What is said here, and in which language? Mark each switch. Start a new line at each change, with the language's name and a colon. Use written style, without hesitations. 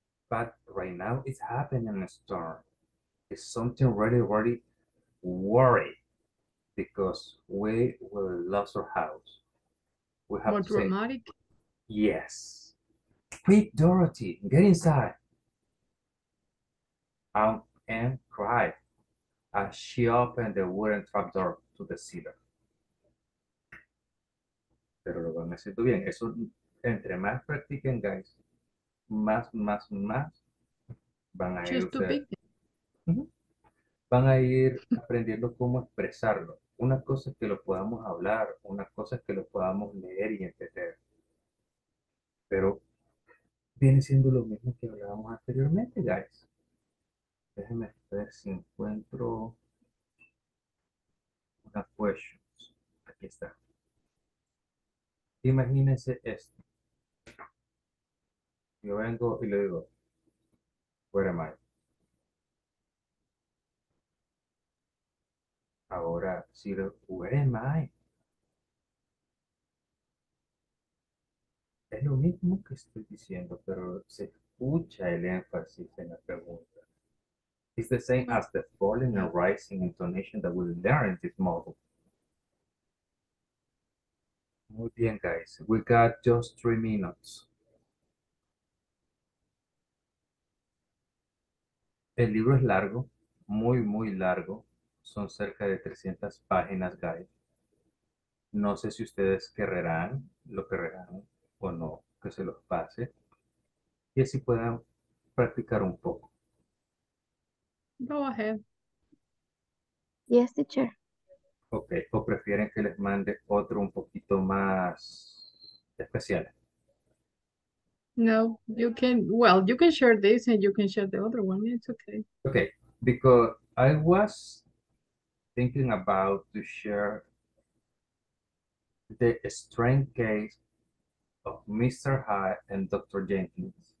English: But right now it's happening in a storm. It's something really, really worry because we will lose our house. We have more to say, dramatic? Yes. Quick, Dorothy, get inside. And cry as she opened the wooden trap door to the cedar.
Spanish: Pero lo van a hacer bien. Eso, entre más practiquen, guys, más van a ir.
English: Just too big.
Spanish: Van a ir aprendiendo cómo expresarlo. Una cosa es que lo podamos hablar, una cosa es que lo podamos leer y entender. Pero viene siendo lo mismo que hablábamos anteriormente, guys. Déjenme ver si encuentro una question. Aquí está. Imagínense esto. Yo vengo y le digo,
English: where am I?
Spanish: Ahora, si lo,
English: where am I?
Spanish: Es lo mismo que estoy diciendo, pero se escucha el énfasis en la pregunta.
English: It's the same as the falling and rising intonation that we learned in this model.
Spanish: Muy bien,
English: guys. We got just 3 minutes.
Spanish: El libro es largo, muy, muy largo. Son cerca de 300 páginas, guys. No sé si ustedes lo querrán o no, que se los pase. Y así puedan practicar un poco.
English: Go ahead. Yes, teacher.
Spanish: Okay, ¿o prefieren que les mande otro un poquito más especial?
English: No, you can, well, you can share this and you can share the other one. It's okay. Okay, because I was thinking about to share the strange case of Mr. Hyde and Dr. Jenkins.